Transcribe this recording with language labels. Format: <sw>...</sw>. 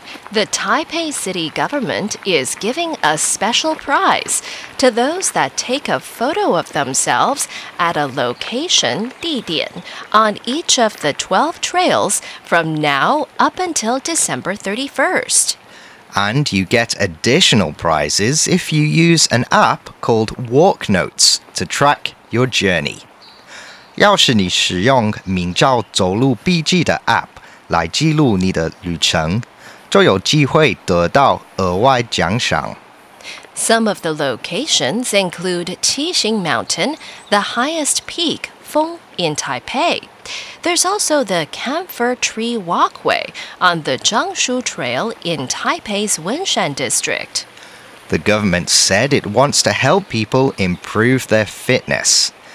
<en>The Taipei city government is giving a special prize to those that take a photo of themselves at a location, 地点, on each of the 12 trails from now up until December 31st. And you get additional prizes if you use an app called Walk Notes to track your journey.</en> <zh>要是你使用名叫走路笔记的 app 来记录你的旅程，就有机会得到额外奖赏。</zh> <en>Some of the locations include Qixing Mountain, the highest peak, Feng, in Taipei. There's also the Camphor Tree Walkway on the Zhangshu Trail in Taipei's Wenshan District. The government said it wants to help people improve their fitness.</en>